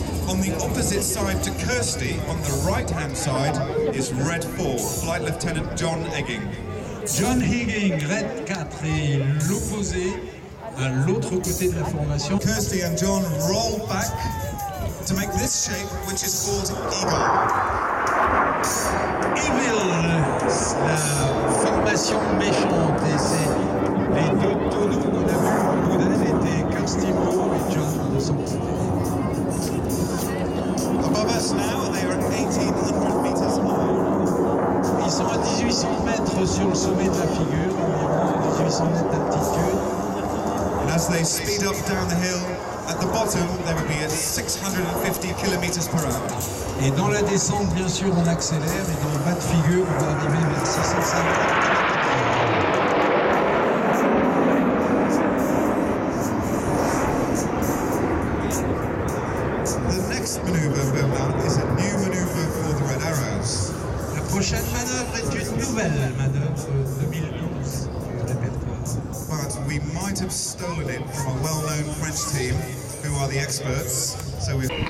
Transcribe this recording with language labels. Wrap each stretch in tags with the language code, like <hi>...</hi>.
<en>On the opposite side to Kirsty, on the right hand side, is Red 4, Flight Lieutenant John Egging.</en> <fr>John Egging, Red 4, et l'opposé à l'autre côté de la formation.</fr> <en>Kirsty and John roll back to make this shape, which is called Eagle.</en> <fr>Eagle, la formation méchante, et c'est les deux tonneaux qu'on a vu au bout d'elle étaient Kirsty Moore et John de son côté.</fr> <en>Above us now, they are 1,800 meters high.</en> <fr>Ils sont à 1,800 mètres sur le sommet de la figure, environ 1,800 mètres d'altitude.</fr> <en>And as they speed up down the hill, at the bottom, they would be at 650 kilometers per hour.</en> <fr>Et dans la descente, bien sûr, on accélère, et dans le bas de figure, on va arriver vers 650.</fr> <en>The next maneuver we're about is a new maneuver for the Red Arrows.</en> <fr>La prochaine manœuvre est une nouvelle manœuvre 2012 du répertoire.</fr> <en>But we might have stolen it from a well-known French team, who are the experts, so we...</en>